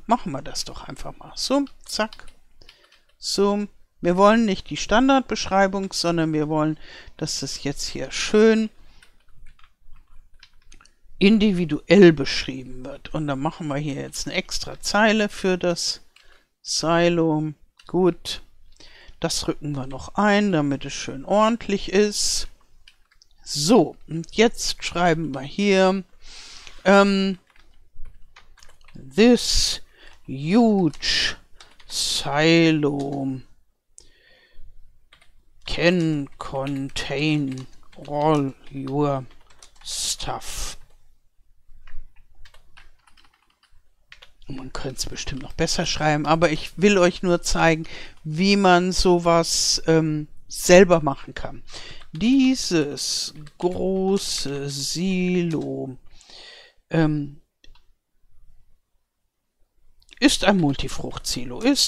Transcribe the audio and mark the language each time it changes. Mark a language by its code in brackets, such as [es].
[de] Machen wir das doch einfach mal. So, zack. So, wir wollen nicht die Standardbeschreibung, sondern wir wollen, dass das jetzt hier schön individuell beschrieben wird. Und dann machen wir hier jetzt eine extra Zeile für das Silo. Gut, das rücken wir noch ein, damit es schön ordentlich ist. So, und jetzt schreiben wir hier [en] This huge silo can contain all your stuff. [de] Man könnte es bestimmt noch besser schreiben, aber ich will euch nur zeigen, wie man sowas selber machen kann. Dieses große Silo ist ein Multifrucht-Silo.